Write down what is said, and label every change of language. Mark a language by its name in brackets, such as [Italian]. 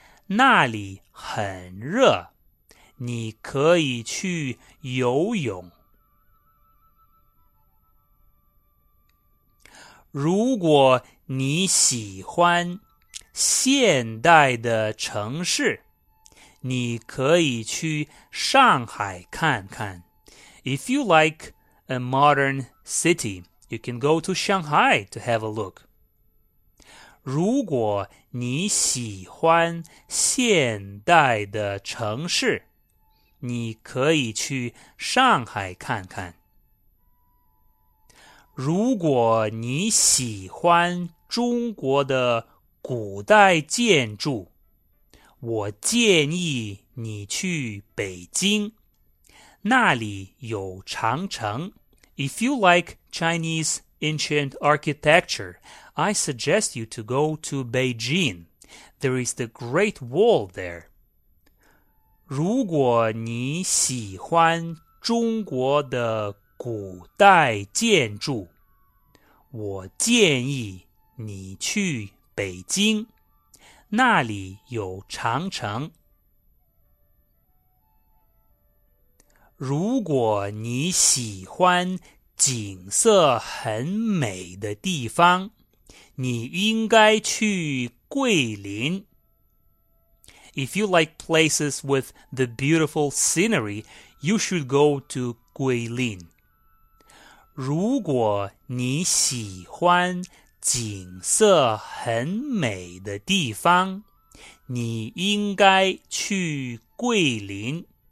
[Chinese] 那里很热，你可以去游泳。如果你喜欢现代的城市，你可以去上海看看。 [English] If you like a modern city, you can go to Shanghai to have a look. [Chinese] 如果你喜欢现代的城市，你可以去上海看看。如果你喜欢中国的古代建筑，我建议你去北京，那里有长城。 [English] If you like Chinese ancient architecture, I suggest you to go to Beijing. There is the Great Wall there. [Chinese] 如果你喜欢中国的古代建筑，我建议你去北京，那里有长城。如果你喜欢景色很美的地方，你应该去桂林。 [English] If you like places with the beautiful scenery, you should go to Guilin. [Chinese] 如果你喜欢景色很美的地方，你应该去桂林。